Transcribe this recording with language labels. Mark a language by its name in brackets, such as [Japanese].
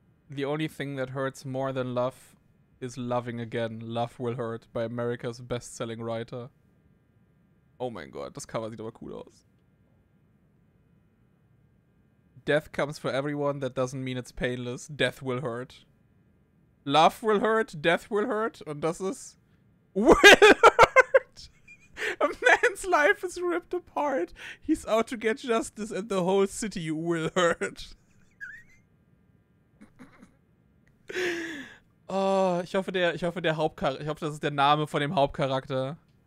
[English] The only thing that hurts more than love is loving again. Love Will Hurt by America's best-selling writer. [German] Oh mein Gott, das Cover sieht aber cool aus. [English] Death comes for everyone, that doesn't mean it's painless. Death will hurt. Love will hurt, death will hurt. [German] Und das ist... [English] Will hurt! A man's life is ripped apart. He's out to get justice and the whole city will hurt. [German] Oh, ich hoffe, das ist der Name von dem Hauptcharakter.